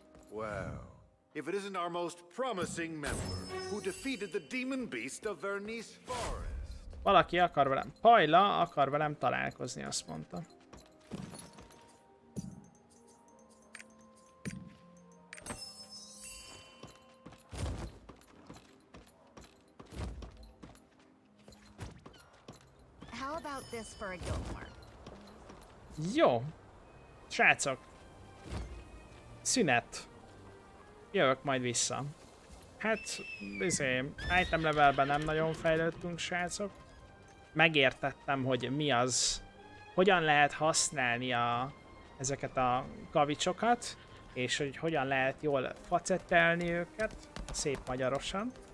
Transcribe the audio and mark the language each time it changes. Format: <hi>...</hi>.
<en>Well, if it isn't our most promising member who defeated the demon beast of Vernice Forest.</en> <hu>Valaki akar velem. Pajla akar velem találkozni, azt mondta.</hu> <en>How about this for a guild mark?</en> <hu>Jó. Srácok, szünet, jövök majd vissza. Hát, item levelben nem nagyon fejlődtünk, srácok. Megértettem, hogy mi az, hogyan lehet használni ezeket a kavicsokat, és hogy hogyan lehet jól facettelni őket, szép magyarosan.</hu>